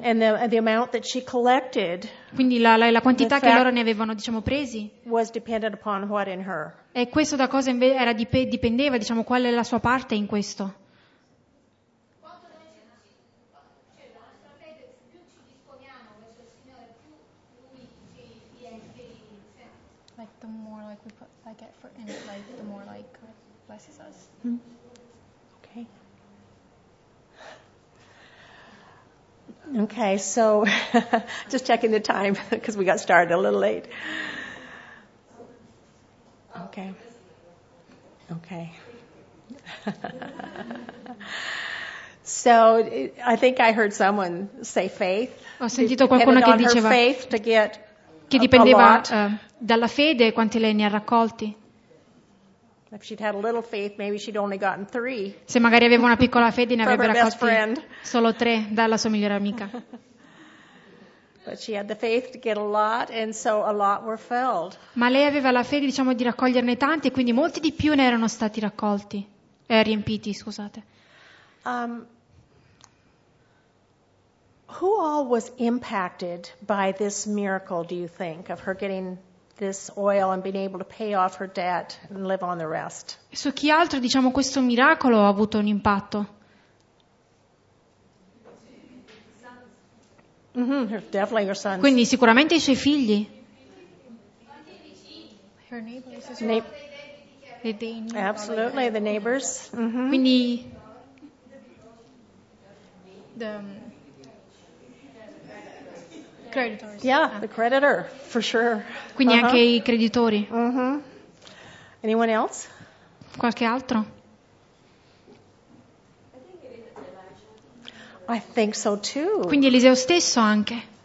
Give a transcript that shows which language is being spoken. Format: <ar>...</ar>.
<en>And the amount that she collected,</en> <it>quindi la quantità che loro ne avevano, diciamo, presi,</it> <en>was dependent upon what in her.</en> <it>E questo da cosa invece era dipendeva, diciamo, qual è la sua parte in questo?</it> <en>Like the more like we put, like effort in it, like the more like blesses us. Mm-hmm. Okay, so just checking the time because we got started a little late. Okay. So I think I heard someone say faith.</en> <it>Ho sentito qualcuno che diceva</it> <en>faith to get</en> <it>che dipendeva dalla fede quanti lei ne ha raccolti.</it> <en>If she'd had a little faith, maybe she'd only gotten three.</en> <it>Se magari aveva una piccola fede, ne avrebbe raccolti solo tre dalla sua migliore amica.</it> <en>But she had the faith to get a lot, and so a lot were filled.</en> <it>Ma lei aveva la fede, diciamo, di raccoglierne tanti, e quindi molti di più ne erano stati raccolti, riempiti, scusate.</it> <en>Who all was impacted by this miracle, do you think, of her getting this oil and being able to pay off her debt and live on the rest?</en> <it>Su chi altro, diciamo, questo miracolo ha avuto un impatto?</it> <en>Definitely her sons.</en> <it>Quindi sicuramente i suoi figli.</it> <en>Her neighbors. Absolutely, the neighbors. Mm-hmm.</en> <it>Quindi</it> <en>creditors. Yeah, the creditor, for sure.</en> <it>Quindi anche i creditori.</it> <en>Mm-hmm. Anyone else?</en> <it>Qualche altro?</it> <en>I think so too.</en> <it>Quindi Eliseo stesso anche.</it>